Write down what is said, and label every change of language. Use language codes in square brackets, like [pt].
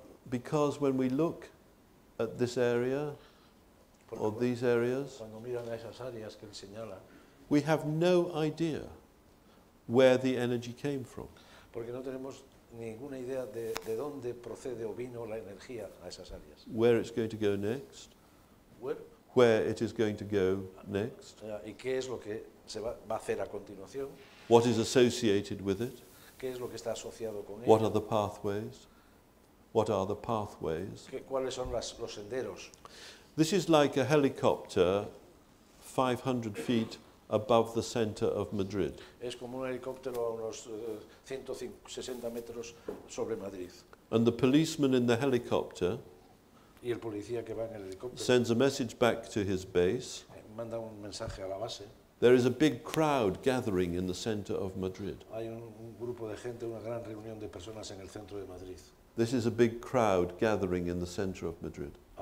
[en] Because when we look at this area or these areas, [es] cuando miran a esas áreas que él señala, [en] we have no idea where the energy came from. [es] Porque no tenemos ninguna idea de dónde procede o vino la energía a esas áreas. [en] Where it's going to go next. Where it is going to go next. [es] Y qué es lo que se va a hacer a continuación. [en] What is associated with it. [es] ¿Qué es lo que está asociado con [en] What are the pathways? What are the pathways? [es] ¿Cuáles son los senderos? [en] This is like a helicopter 500 feet above the center of Madrid. [es] Es como un helicóptero a unos 160 metros sobre Madrid. [en] And the policeman in the helicopter [es] y el policía que va en el helicóptero [en] sends a message back to his base. [es] Manda un mensaje a la base. [en] There is a big crowd gathering in the center of Madrid. [es] Hay un grupo de gente, una gran reunión de personas en el centro de Madrid. [en] This is a big crowd gathering in the center of Madrid.